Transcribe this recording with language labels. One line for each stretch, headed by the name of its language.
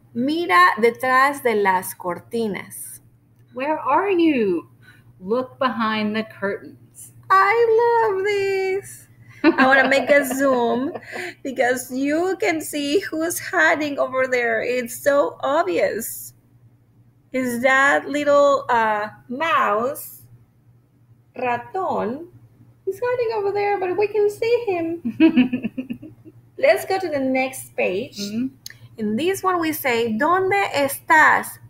Spanish: Mira detrás de las cortinas.
English: Where are you? Look behind the curtains. I love this. I want to make a zoom because you can see who's hiding over there. It's so obvious. Is that little mouse, ratón? He's hiding over there, but we can see him. Let's go to the next page. Mm-hmm. In this one, we say,
Spanish: ¿Dónde estás?